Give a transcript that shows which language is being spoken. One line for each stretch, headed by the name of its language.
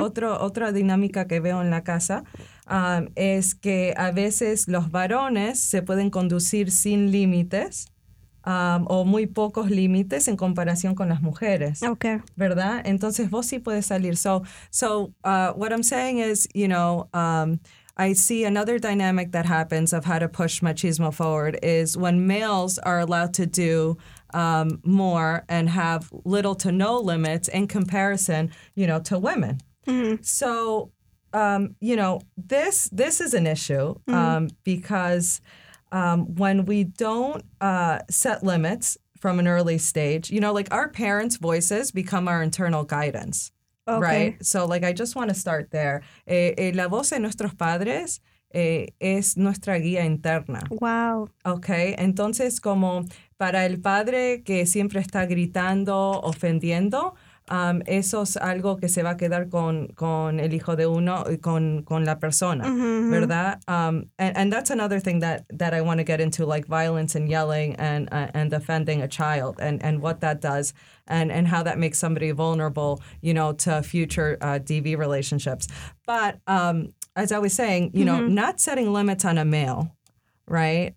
Spanish: otra dinámica que veo en la casa es que a veces los varones se pueden conducir sin límites o muy pocos límites en comparación con las mujeres.
English: Okay.
Spanish: ¿Verdad? Entonces vos sí puedes salir.
English: So what I'm saying is, you know, I see another dynamic that happens of how to push machismo forward is when males are allowed to do more and have little to no limits in comparison, you know, to women. Mm-hmm. So, you know, this is an issue mm-hmm. because when we don't set limits from an early stage, you know, like our parents' voices become our internal guidance. Okay. Right. So, like, I just want to start there.
Spanish: La voz de nuestros padres es nuestra guía interna.
English: Wow. Okay.
Spanish: Entonces, como para el padre que siempre está gritando, ofendiendo, eso es algo que se va a quedar con el hijo de uno y con la persona,
English: mm-hmm.
Spanish: ¿verdad?
English: And that's another thing that I want to get into, like violence and yelling and offending a child and what that does and how that makes somebody vulnerable, you know, to future DV relationships. But as I was saying, you mm-hmm. know, not setting limits on a male, right?